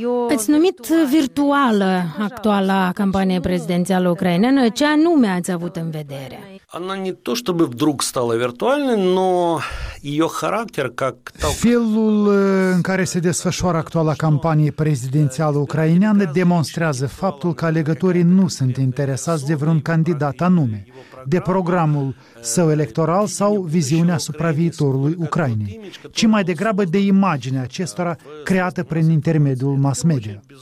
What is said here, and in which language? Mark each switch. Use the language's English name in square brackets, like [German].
[Romanian] Ați numit virtuală actuala campanie prezidențială ucraineană. Ce anume ați avut în vedere? [Russian] Она не то чтобы вдруг стала виртуальной, но ее характер как [Romanian] Felul în care se desfășoară actuala campanie prezidențială ucraineană demonstrează faptul că alegătorii nu sunt interesați de vreun candidat anume, de programul său electoral sau viziunea asupra viitorului Ucrainei, ci mai degrabă de imaginea acestora creată prin intermediul mass media.